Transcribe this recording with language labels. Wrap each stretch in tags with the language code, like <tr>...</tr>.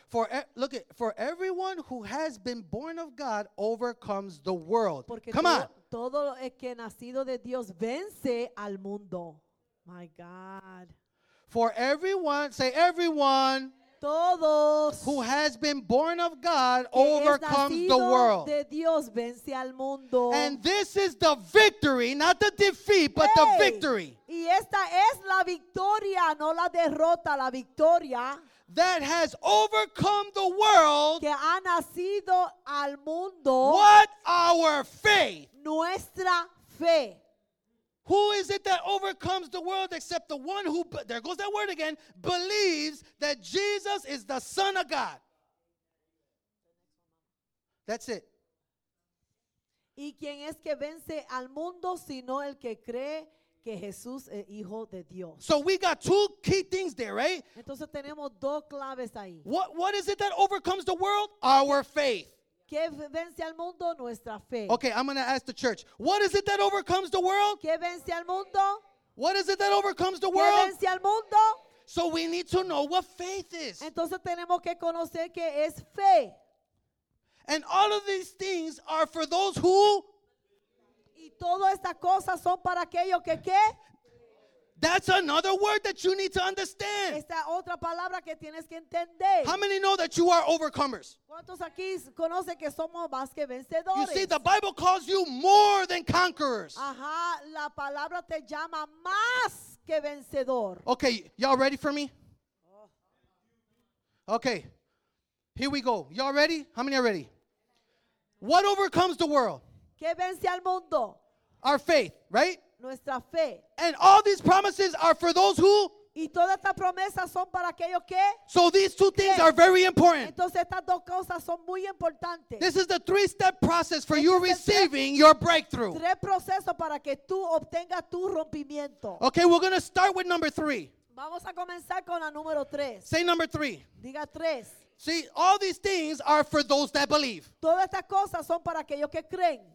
<en>For everyone who has been born of God overcomes the world.</en> <es>Porque</es> <en>come on.</en> <es>Todo el que nacido de Dios vence al mundo.</es> <en>My God. For everyone, say everyone.</en> <es>Todos.</es> <en>Who has been born of God overcomes the world.</en> <es>De Dios vence al mundo.</es> <en>And this is the victory, not the defeat, but hey. The victory.</en> <es>Y esta es la victoria, no la derrota, la victoria.</es> <en>That has overcome the world.</en> <es>Que ha nacido al mundo.</es> <en>What our faith.</en> <es>Nuestra fe.</es> <en>Who is it that overcomes the world except the one who, there goes that word again, believes that Jesus is the Son of God. That's it.</en> <es>Y quien es que vence al mundo sino el que cree que Jesús es hijo de Dios.</es> <en>So we got two key things there, right?</en> <es>Entonces tenemos dos claves ahí.</es> <en>What is it that overcomes the world? Our faith.</en> <es>¿Qué vence al mundo? Nuestra fe.</es> <en>Okay, I'm going to ask the church. What is it that overcomes the world?</en> <es>¿Qué vence al mundo?</es> <en>What is it that overcomes the world?</en> <es>¿Qué vence al mundo?</es> <en>So we need to know what faith is.</en> <es>Entonces tenemos que conocer qué es fe.</es> <en>And all of these things are for those who</en> <es>todas estas cosas son para aquellos que qué?</es> <en>That's another word that you need to understand.</en> <es>Esta otra palabra que tienes que entender.</es> <en>How many know that you are overcomers?</en> <es>¿Cuántos aquí conocen que somos más que vencedores?</es> <en>You see, the Bible calls you more than conquerors.</en> <es>Ajá, la palabra te llama más que vencedor.</es> <en>Okay, y'all ready for me? Okay, here we go. Y'all ready? How many are ready? What overcomes the world?</en> <es>¿Qué vence al mundo?</es> <en>Our faith, right?</en> <es>Nuestra fe.</es> <en>And all these promises are for those who?</en> <es>Y todas estas promesas son para aquellos que?</es> <en>So these two things</en> <es>que</es> <en>are very important.</en> <es>Entonces estas dos cosas son muy importantes.</es> <en>This is the three-step process for you receiving your breakthrough.</en> <es>Tres procesos para que tú obtengas tu rompimiento.</es> <en>Okay, we're going to start with number 3.</en> <es>Vamos a comenzar con la número 3.</es> <en>Say number 3.</en> <es>Diga 3.</es> <en>See, all these things are for those that believe.</en> <es>Todas estas cosas son para aquellos que creen.</es>